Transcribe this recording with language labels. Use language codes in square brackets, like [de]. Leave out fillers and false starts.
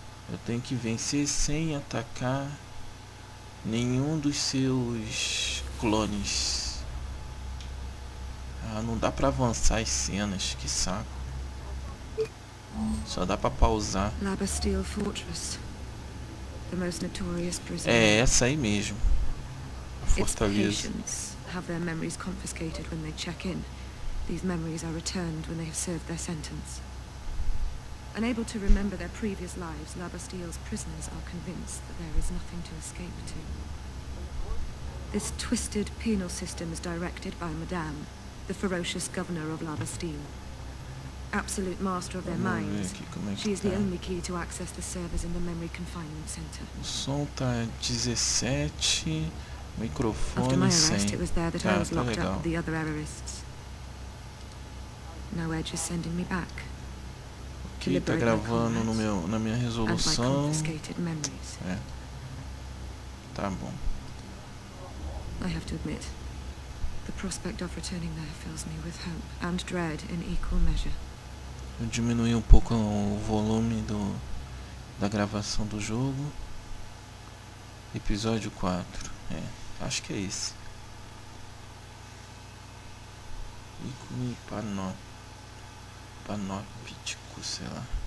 [pt] Eu tenho que vencer sem atacar nenhum dos seus clones. Ah, não dá pra avançar as cenas, que saco. Só dá pra pausar. [en] Labasteel Fortress. The most notorious prison. [pt] É essa aí mesmo. [en] Patients have their memories confiscated when they check in. These memories are returned when they have served their sentence. Unable to remember their previous lives, Labasteel's prisoners are convinced that there is nothing to escape to. This twisted penal system is directed by Madame, the ferocious governor of Labasteel. Absolute master of their minds, she is the only key to access the servers in the memory confinement center. [pt] O som tá 17. Microfone sem. [en] It was there that I was locked up with the other errorists. No Edge is sending me back. [pt] Okay, tá gravando no meu, na minha resolução. É. Tá bom. [en] I have to admit, the prospect of returning there fills me with hope and dread in equal measure. [pt] Eu diminui um pouco o volume do da gravação do jogo. Episódio 4. É. Acho que é esse. Ícone panóptico, sei lá.